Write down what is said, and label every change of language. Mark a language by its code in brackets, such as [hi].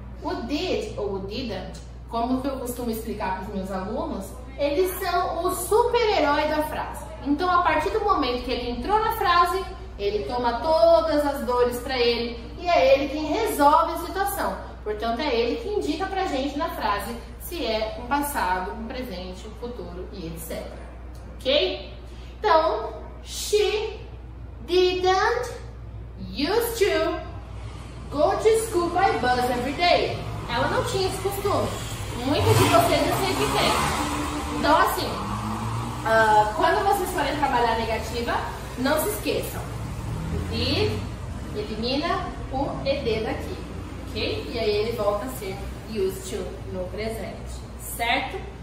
[pt] O did ou o didn't, como eu costumo explicar para os meus alunos, eles são o super-herói da frase. Então, a partir do momento que ele entrou na frase, ele toma todas as dores para ele e é ele quem resolve a situação. Portanto, é ele que indica para a gente na frase se é um passado, um presente, um futuro e etc. Ok? [en] Então, she didn't used to go to school by bus every day. [pt] Ela não tinha esse costume. Muitos de vocês eu sei que tem. Então, assim, quando vocês forem trabalhar negativa, não se esqueçam. Did, elimina o ed daqui, ok? E aí ele volta a ser used to no presente, certo?